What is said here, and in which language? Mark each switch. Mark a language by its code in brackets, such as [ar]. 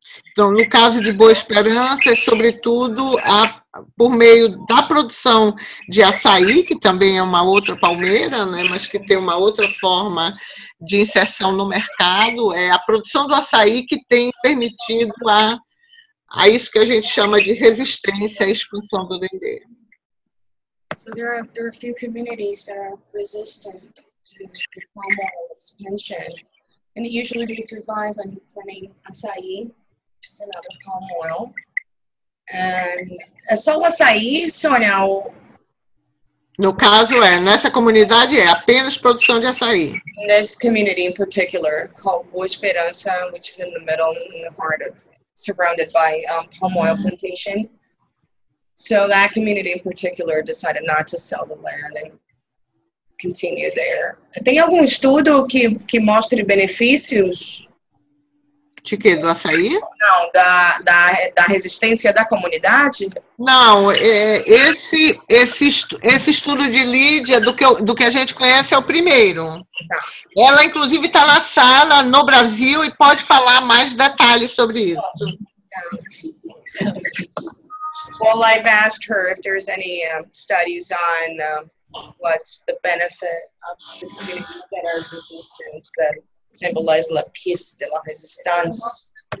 [pt] Então, no caso de Boa Esperança, é sobretudo por meio da produção de açaí, que também é uma outra palmeira, né, mas que tem uma outra forma de inserção no mercado, é a produção do açaí que tem permitido a isso que a gente chama de resistência à expansão do Dendê. [en] So there are a few communities that are resistant to the palm oil expansion. And usually they survive on planting açaí, which is another palm oil. [pt] And só o açaí, Sônia? No caso, nessa comunidade é apenas produção de açaí. [en] In this community in particular, called Boa Esperança, which is in the middle, in the heart of, surrounded by palm oil plantation. So that community in particular decided not to sell the land and continue there. [pt] Tem algum estudo que mostre benefícios De quê? Do açaí? Não, da resistência da comunidade? Não, esse estudo de Lídia, do que a gente conhece, é o primeiro. Tá. Ela, inclusive, está na sala no Brasil e pode falar mais detalhes sobre isso. [en] Well, I've asked her if there's any studies on what's the benefit of the community that are resistant that symbolize la peace de la resistance.